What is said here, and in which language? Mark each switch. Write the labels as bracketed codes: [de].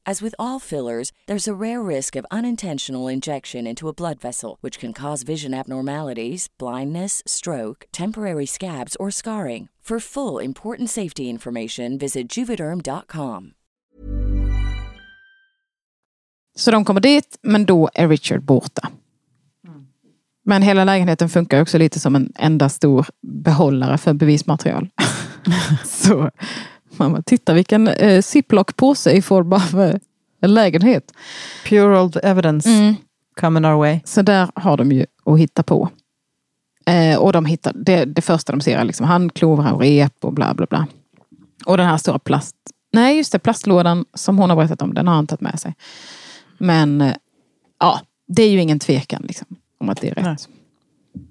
[en] As with all fillers, there's a rare risk of unintentional injection into a blood vessel, which can cause vision abnormalities, blindness, stroke, temporary scabs, or scarring. For full important safety information, visit Juvederm.com. [sv] Så de kommer dit, men då är Richard borta. Mm. Men hela lägenheten funkar också lite som en enda stor behållare för bevismaterial. Så man bara, titta vilken ziplockpåse i form av en lägenhet. [en] Pure old evidence coming our way. [sv] Så där har de ju att hitta på. Och de hittar, det första de ser är liksom handklovar och rep och bla bla bla. Och den här stora plast... Nej, just det, plastlådan som hon har berättat om, den har han tagit med sig. Men ja, det är ju ingen tvekan liksom, om att det är rätt. Nej.